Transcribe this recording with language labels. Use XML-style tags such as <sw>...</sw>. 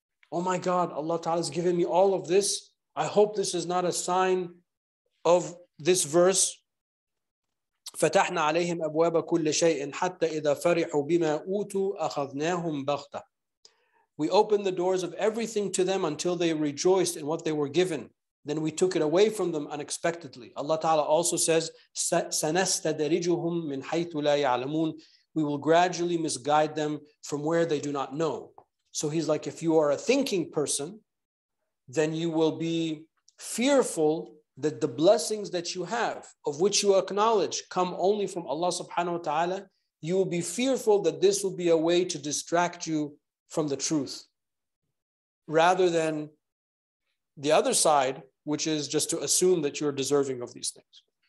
<en>Oh my God, Allah Ta'ala has given me all of this. I hope this is not a sign of this verse.</en> <ar>فَتَحْنَا عَلَيْهِمْ أَبْوَابَ كُلِّ شَيْءٍ حَتَّى إِذَا فَرِحُوا بِمَا أُوتُوا أَخَذْنَاهُمْ بَغْتَةً.</ar> <en>We opened the doors of everything to them until they rejoiced in what they were given. Then we took it away from them unexpectedly. Allah Ta'ala also says,</en> <ar>سَنَسْتَدَرِجُهُمْ مِنْ حَيْثُ لَا يَعْلَمُونَ.</ar> <en>We will gradually misguide them from where they do not know. So he's like, if you are a thinking person, then you will be fearful that the blessings that you have, of which you acknowledge, come only from Allah subhanahu wa ta'ala, you will be fearful that this will be a way to distract you from the truth, rather than the other side, which is just to assume that you're deserving of these things.</en>